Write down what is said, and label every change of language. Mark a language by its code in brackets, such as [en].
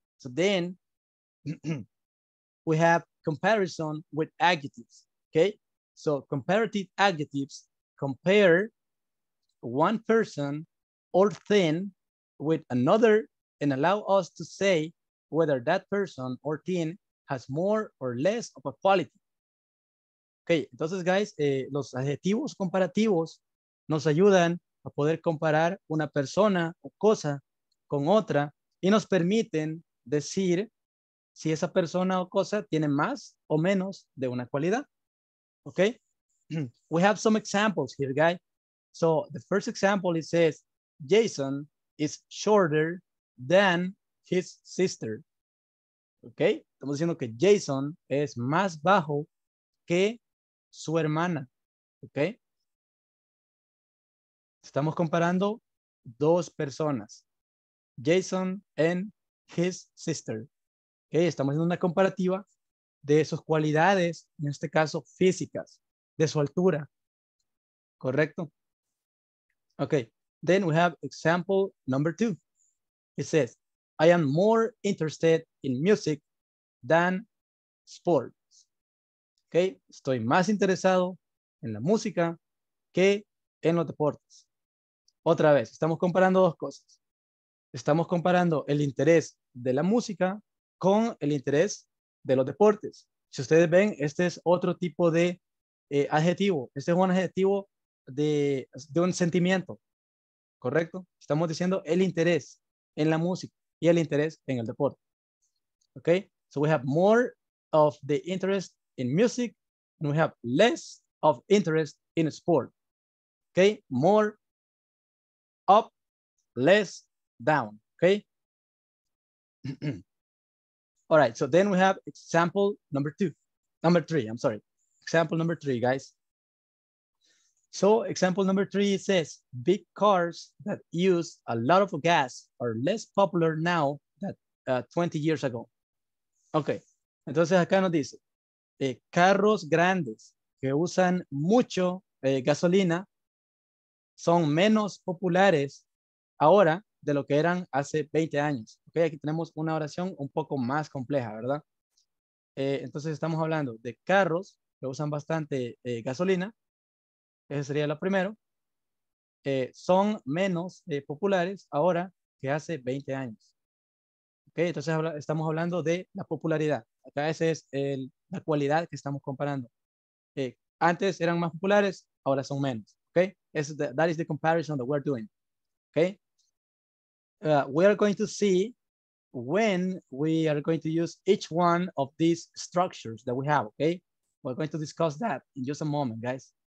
[en] So then we have comparison with adjectives, okay? So comparative adjectives compare one person or thing with another and allow us to say whether that person or thing has more or less of a quality. [es] Okay, entonces, guys, los adjetivos comparativos nos ayudan a poder comparar una persona o cosa con otra y nos permiten decir si esa persona o cosa tiene más o menos de una cualidad. [en] Okay, we have some examples here, guys. So the first example, it says, Jason is shorter than his sister. [es] Okay, estamos diciendo que Jason es más bajo que su hermana. Okay, estamos comparando dos personas, [en] Jason and his sister. [es] Okay, estamos haciendo una comparativa de sus cualidades, en este caso físicas, de su altura. ¿Correcto? [en] Okay, then we have example number two. It says, I am more interested in music than sports. [es] Okay, estoy más interesado en la música que en los deportes. Otra vez, estamos comparando dos cosas. Estamos comparando el interés de la música con el interés de los deportes. Si ustedes ven, este es otro tipo de adjetivo. Este es un adjetivo de un sentimiento. ¿Correcto? Estamos diciendo el interés en la música y el interés en el deporte. Okay? [en] So we have more of the interest in music and we have less of interest in sport. Okay, more up, less down, okay? All right, so then we have example number two, number three, I'm sorry. Example number three, guys. So example number three says, big cars that use a lot of gas are less popular now than 20 years ago. [es] Okay, entonces acá nos dice, carros grandes que usan mucho gasolina son menos populares ahora de lo que eran hace 20 años. Okay, aquí tenemos una oración un poco más compleja, ¿verdad? Entonces estamos hablando de carros que usan bastante gasolina. Ese sería lo primero. Son menos populares ahora que hace 20 años. Okay, entonces estamos hablando de la popularidad. Acá esa es la cualidad que estamos comparando. Antes eran más populares, ahora son menos. [en] Okay, that is the comparison that we're doing. Okay, we are going to see when we are going to use each one of these structures that we have. Okay, we're going to discuss that in just a moment, guys.